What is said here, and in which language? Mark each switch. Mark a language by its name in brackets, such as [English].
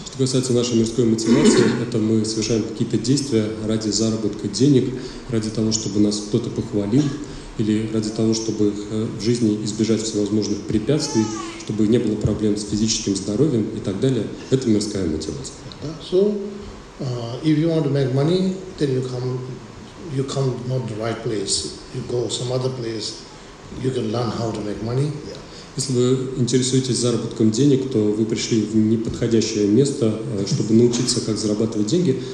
[Russian] Что касается нашей мирской мотивации, это мы совершаем какие-то действия ради заработка денег, ради того, чтобы нас кто-то похвалил, или ради того, чтобы в жизни избежать всевозможных препятствий, чтобы не было проблем с физическим здоровьем и так далее. Это мирская мотивация. [English] So, if you want to make money, then you come not the right place. You go some other place. You can learn how to make money. Yeah. [Russian] Если вы интересуетесь заработком денег, то вы пришли в неподходящее место, чтобы научиться, как зарабатывать деньги.